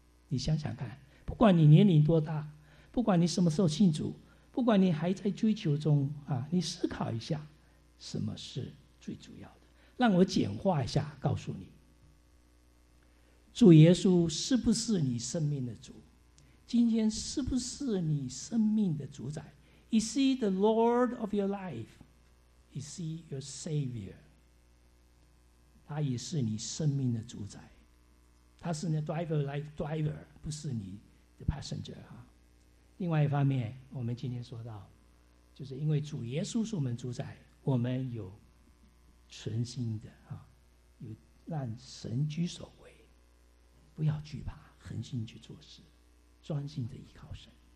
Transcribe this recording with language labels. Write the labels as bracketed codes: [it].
[zh] 你想想看，不管你年龄多大，不管你什么时候信主，不管你还在追求中啊，你思考一下，什么是最主要的？让我简化一下告诉你，主耶稣是不是你生命的主？今天是不是你生命的主宰？ [en] Is he the Lord of your life? Is he your Savior? [zh] 他也是你生命的主宰，他是你的 driver life driver， 不是你的 passenger 啊。另外一方面，我们今天说到，就是因为主耶稣是我们主宰，我们有存心的啊，有让神居首位，不要惧怕，恒心去做事，专心的依靠神。